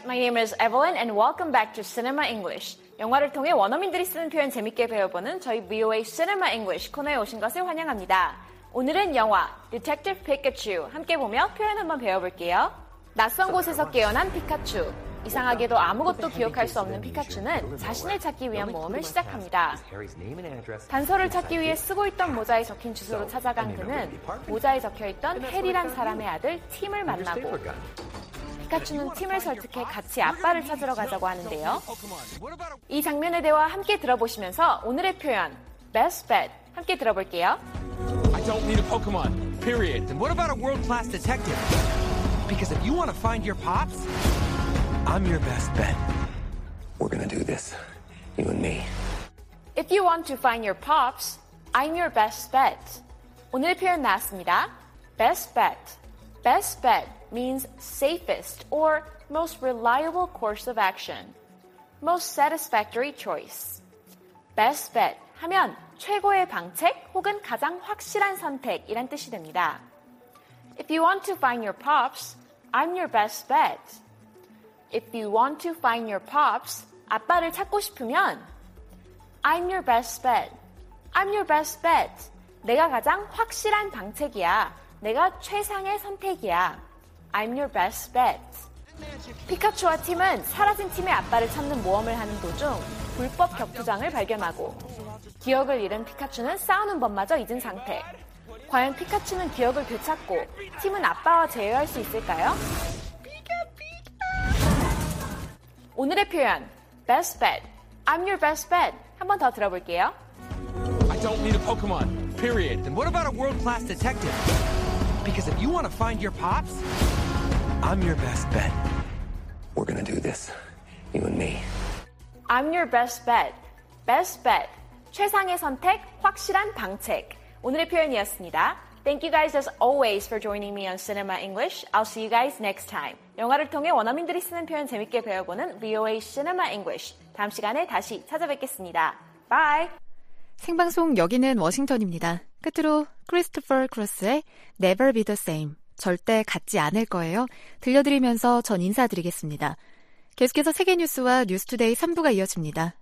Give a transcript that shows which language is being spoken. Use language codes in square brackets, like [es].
[en] name is Evelyn and welcome back to Cinema English. [ko] 영화를 통해 원어민들이 쓰는 표현 재밌게 배워보는 저희 VOA Cinema English 코너에 오신 것을 환영합니다. 오늘은 영화 Detective Pikachu 함께 보며 표현 한번 배워볼게요. 낯선 곳에서 깨어난 피카츄. 이상하게도 아무것도 기억할 수 없는 피카츄는 자신을 찾기 위한 모험을 시작합니다. 단서를 찾기 위해 쓰고 있던 모자에 적힌 주소로 찾아간 그는 모자에 적혀있던 해리란 사람의 아들 팀을 만나고 피카츄는 팀을 설득해 같이 아빠를 찾으러 가자고 하는데요. 이 장면에 대화 함께 들어보시면서 오늘의 표현 Best Bet 함께 들어볼게요. [en] I don't need a Pokemon, period. And what about a world-class detective? Because if you want to find your pops, I'm your best bet. We're gonna do this, you and me. If you want to find your pops, I'm your best bet. [ko] 오늘의 표현 나왔습니다. [en] Best bet. Best bet means safest or most reliable course of action. Most satisfactory choice. [ko] Best bet 하면 최고의 방책 혹은 가장 확실한 선택이란 뜻이 됩니다. [en] If you want to find your pops, I'm your best bet. If you want to find your pops, [ko] 아빠를 찾고 싶으면 [en] I'm your best bet. I'm your best bet. [ko] 내가 가장 확실한 방책이야. 내가 최상의 선택이야. [en] I'm your best bet. [ko] 피카츄와 팀은 사라진 팀의 아빠를 찾는 모험을 하는 도중 불법 격투장을 발견하고 기억을 잃은 피카츄는 싸우는 법마저 잊은 상태. 과연 피카츄는 기억을 되찾고 팀은 아빠와 재회할 수 있을까요? 오늘의 표현, best bet. [en] I'm your best bet. [ko] 한 번 더 들어볼게요. [en] I don't need a Pokemon, period. And what about a world-class detective? Because if you want to find your pops, I'm your best bet. We're gonna do this, you and me. I'm your best bet. Best bet. [ko] 최상의 선택, 확실한 방책. 오늘의 표현이었습니다. [en] Thank you guys as always for joining me on Cinema English. I'll see you guys next time. [ko] 영화를 통해 원어민들이 쓰는 표현 재밌게 배워보는 VOA Cinema English. 다음 시간에 다시 찾아뵙겠습니다. [en] Bye! [ko] 생방송 여기는 워싱턴입니다. 끝으로 크리스토퍼 크로스의 Never Be The Same, 절대 같지 않을 거예요. 들려드리면서 전 인사드리겠습니다. 계속해서 세계 뉴스와 뉴스투데이 3부가 이어집니다.